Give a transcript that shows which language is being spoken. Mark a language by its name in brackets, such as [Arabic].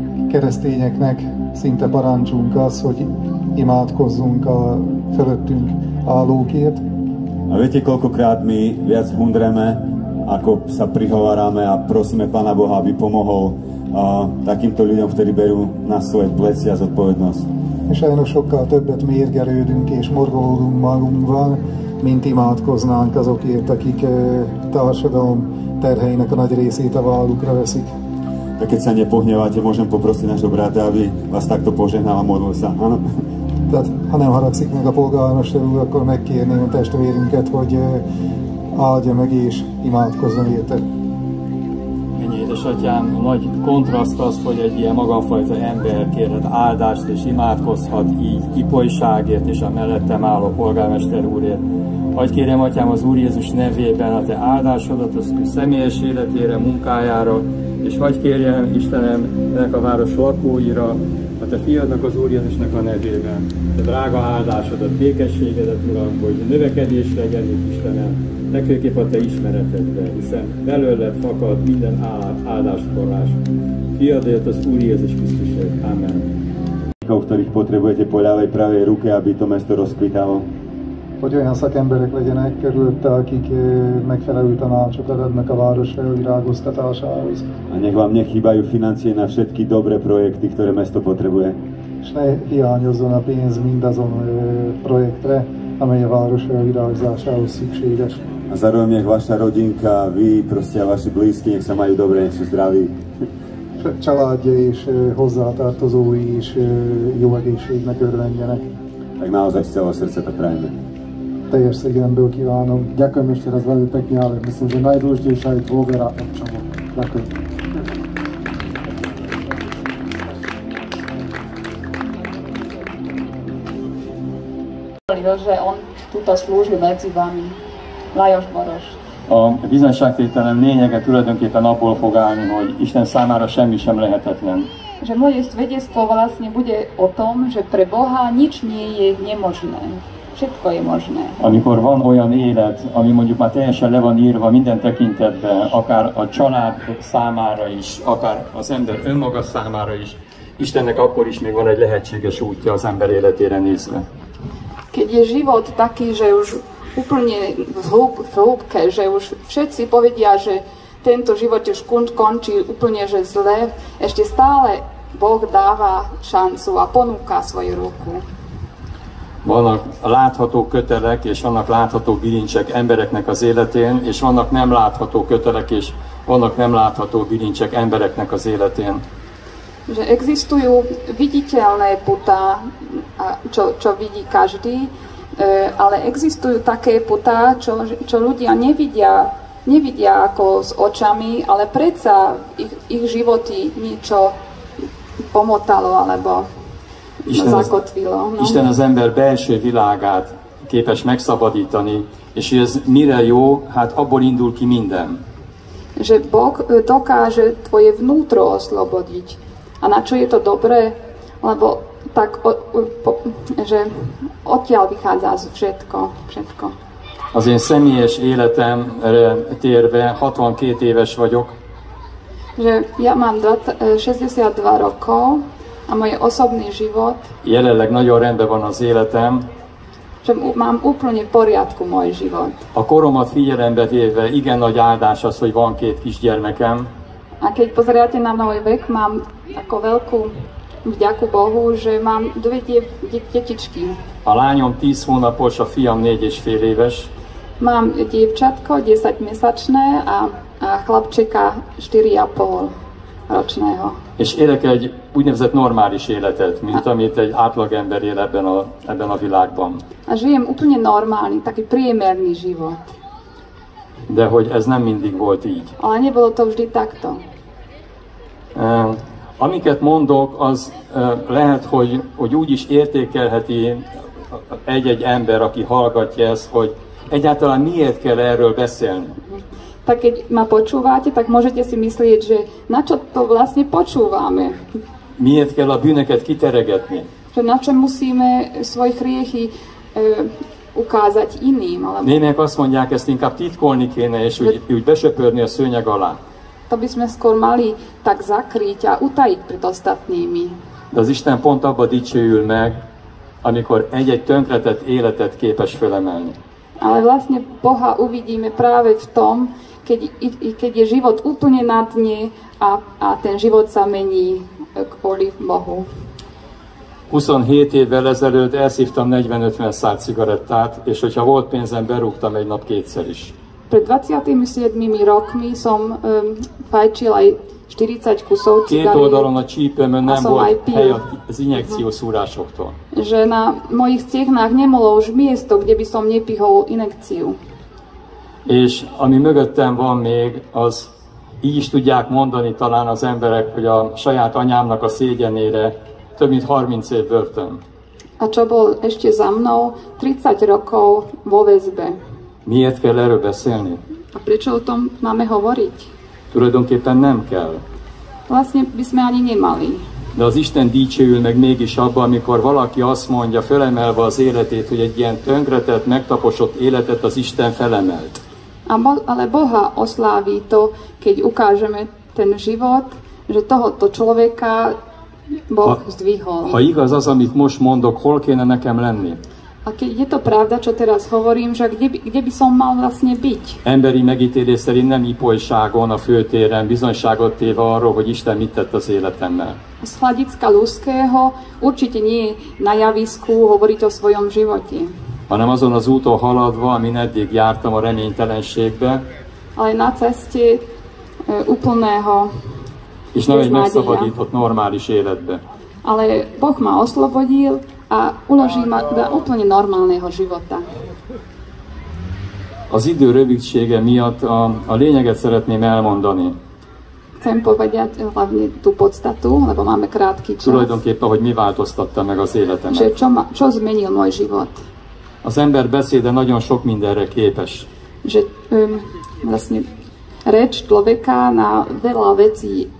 [Hungarian] keresztényeknek szinte parancsunk az, hogy imádkozzunk a fölöttünk állókért. [Slovak] A viete, koľkokrát mi viac hundreme, ako sa prihovárame a prosíme Pána Boha, aby pomohol takýmto ľuďom, ktorí berú na svoje plecia zodpovednosť. [Hungarian] Sajnos sokkal többet mérgelődünk és morgolódunk magunkban, mint imádkoznánk azokért, akik társadalom terheinek a nagy részét a vállukra veszik. [Slovak] Tak keď sa nepohneváte, môžem poprosiť nášho bráta, aby vás takto požehnal a modlil sa, áno? [Hungarian] Tehát, ha nem haragszik meg a polgármester úr, akkor megkérném a testvérünket, hogy áldja meg és imádkozzon érte. Ennyi, édesatyám, nagy kontraszt az, hogy egy ilyen magamfajta ember kérhet áldást és imádkozhat így ipolyságért és a mellettem álló polgármester úrért. Hagyj kérem, atyám, az Úr Jézus nevében a te áldásodat, az ő személyes életére, munkájára, és hagyj kérjem, Istenem, ennek a város lakóira, a te fiadnak, az Úr Jézusnak a nevében, te drága áldásodat, békességedet, Uram, hogy növekedés legyen, Istenem, legfőképp a te ismeretedre, hiszen belőled fakad minden áldásforrás. Fiadért az Úr Jézus Krisztusért. Amen. [Slovak] Ktorých potrebujete po ľavej pravej ruke, aby to mesto rozkvitalo. [Hungarian] Hogy olyan szakemberek legyenek körülötte, akik megfelelő tanácsokat adnak a város felvirágoztatásához. [Slovak] A nech vám nechybajú financie na všetky dobré projekty, ktoré mesto potrebuje. [Hungarian] És ne hiányozzon a pénz mindazon projektre, amely a város felvirágzásához szükséges. [Slovak] A zároveň nech vaša rodinka, vy proste a vaši blízky, nech sa majú dobre, nech sú zdraví. [Hungarian] Családja és hozzátartozói is jó egészségnek örvendjenek. [Slovak] Tak naozaj z celého srdce to prajeme. [Hungarian] Teljes szívemből kívánom. [Slovak] Ďakujem ešte raz veľmi pekne, ale myslím, že najdôležitejšia je dôvera občanov. Ďakujem. Že on túto službu medzi vami, Lajos Boros. [Hungarian] A bizonyságtételem lényege tulajdonképpen abból fog állni, hogy Isten számára semmi sem lehetetlen. [Slovak] Že moje svedectvo vlastne bude o tom, že pre Boha nič nie je nemožné. Všetko je možné. [Hungarian] Amikor van olyan élet, ami mondjuk már teljesen le van írva minden tekintetben, akár a család számára is, akár az ember önmaga számára is, Istennek akkor is még van egy lehetséges útja az ember életére nézve. [Slovak] Keď je život taký, že už úplne v hĺbke, že už všetci povedia, že tento život už končí úplne že zle, ešte stále Boh dáva šancu a ponúka svoju ruku. [Hungarian] Vannak látható kötelek és vannak látható bilincsek embereknek az életén, és vannak nem látható kötelek és vannak nem látható bilincsek embereknek az életén. [Slovak] Že existujú viditeľné putá, čo vidí každý, ale existujú také putá, čo ľudia nevidia ako s očami, ale predsa ich životy niečo pomotalo alebo Isten zakotvilo. No? [Hungarian] Isten az ember belső világát képes megszabadítani, és ez mire jó, hát abból indul ki minden. [Slovak] Že Boh dokáže tvoje vnútro oslobodiť. A na čo je to dobré? Lebo tak, že odtiaľ vychádza všetko. [Hungarian] Az én személyes életemre térve 62 éves vagyok. [Slovak] Že ja mám 62 rokov a môj osobný život. [Hungarian] Jelenleg nagyon rendben van az életem. [Slovak] Že mám úplne v poriadku môj život. [Hungarian] A koromat figyelembe téve igen nagy áldás az, hogy van két kisgyermekem. [Slovak] A keď pozeráte na môj vek, mám ako veľkú vďaku Bohu, že mám dve detičky. [Hungarian] A lányom 10 hónapos, a fiam 4,5 éves. [Slovak] Mám dievčatko 10-mesačné a chlapčeka 4,5 ročného. [Hungarian] És élek egy úgynevezett normális életet, mint amit egy átlagember él ebben a világban. [Slovak] A žijem úplne normálny, taký priemerný život. [Hungarian] De hogy ez nem mindig volt így. [Slovak] Ale nebolo to vždy takto. [Hungarian] Amiket mondok, az lehet, hogy úgy is értékelheti egy-egy ember, aki hallgatja ezt, hogy egyáltalán miért kell erről beszélni. [Slovak] Tak keď ma počúvate, tak môžete si myslieť, že na čo to vlastne počúvame. [Hungarian] Miért kell a bűneket kiteregetni. [Slovak] Že na čo musíme svoje hriechy ukázať iným. [Hungarian] Némelyek azt mondják, ezt inkább titkolni kéne, és úgy besöpörni a szőnyeg alá. [Slovak] to by sme skôr mali tak zakryť a utajiť pred ostatnými. [Hungarian] De az Isten pont abba dicsőül meg, amikor egy-egy tönkretett életet képes fölemelni. [Slovak] Ale vlastne Boha uvidíme práve v tom, keď je život úplne na dne a ten život sa mení kvôli Bohu. [Hungarian] 27 évvel ezelőtt elszívtam 40-50 szál cigarettát, és hogyha volt pénzem, berúgtam egy nap kétszer is. [Slovak] Pred 27 rokmi som fajčil aj 40 kusov cigariet. [Hungarian] Két oldalon a csípőmön nem volt hely az injekció szúrásoktól. [Slovak] Že na mojich stehnách nemolo už miesto, kde by som nepihol injekciu. [Hungarian] És ami mögöttem van még, az így is tudják mondani talán az emberek, hogy a saját anyámnak a szégyenére több mint 30 év börtön. [Slovak] A čo bol ešte za mnou 30 rokov vo väzbe. [Hungarian] Miért kell erről beszélni? [Slovak] A prečo o tom máme hovoriť? [Hungarian] Tulajdonképpen nem kell. [Slovak] Vlastne by sme ani nemali. [Hungarian] De az Isten dicsőül meg mégis abban, amikor valaki azt mondja, felemelve az életét, hogy egy ilyen tönkretett, megtaposott életet az Isten felemelt. [Slovak] Ale Boha oslávi to, keď ukážeme ten život, že tohoto človeka Boh zdvihol. [Hungarian] Ha igaz az, amit most mondok, hol kéne nekem lenni? [Slovak] A keď je to pravda, čo teraz hovorím, že kde by som mal vlastne byť? [Hungarian] Emberi megítélés szerint nem ipojságon, a főtéren, bizonyságot téve arról, hogy Isten mit tett az életemmel. [Slovak] Z hľadiska ľudského určite nie na javisku hovoriť o svojom živote. [Hungarian] Hanem azon az úton haladva, amin eddig jártam a reménytelenségbe. [Slovak] Ale na ceste úplného [Hungarian] és nem egy megszabadított normális életbe. [Slovak] Ale Boh ma oslobodil, a uloží ma do úplne normálneho života. [Hungarian] Az idő rövidsége miatt a lényeget szeretném elmondani. [Slovak] Chcem povedať hlavne tú podstatu, lebo máme krátky čas. [Hungarian] Tulajdonképpen, hogy mi változtatta meg az életemet. [Slovak] Že čo zmenil môj život. [Hungarian] Az ember beszéde nagyon sok mindenre képes. [Slovak] Že vlastne reč človeka na veľa vecí.